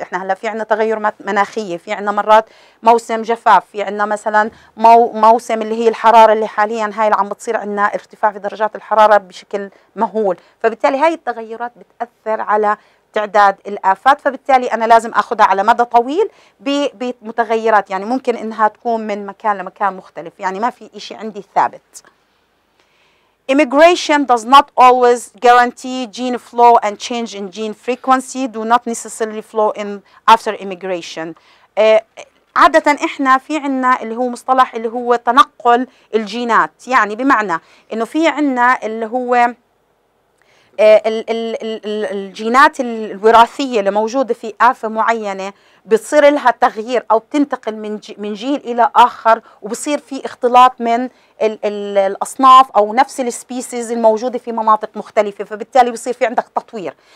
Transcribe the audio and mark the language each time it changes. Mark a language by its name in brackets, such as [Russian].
[Arabic] إحنا هلأ في عنا تغير مناخية، في عنا مرات موسم جفاف، في عنا مثلا موسم اللي هي الحرارة اللي حاليا هاي اللي عم بتصير عنا ارتفاع في درجات الحرارة بشكل مهول، فبالتالي هاي التغيرات بتأثر على تعداد الآفات، فبالتالي أنا لازم أخذها على مدى طويل بمتغيرات، يعني ممكن إنها تكون من مكان لمكان مختلف، يعني ما في إشي عندي ثابت. [English] Immigration does not always guarantee gene flow and change in gene frequency do not necessarily flow in after immigration. [Arabic] عادة إحنا في عنا اللي هو مصطلح اللي هو تنقل الجينات، يعني بمعنى إنه في عنا اللي هو الجينات الوراثية اللي موجودة في آفة معينة بتصير لها تغيير أو بتنتقل من جيل إلى آخر، وبصير في اختلاط من الأصناف أو نفس السبيسيز الموجودة في مناطق مختلفة، فبالتالي بصير في عندك تطوير.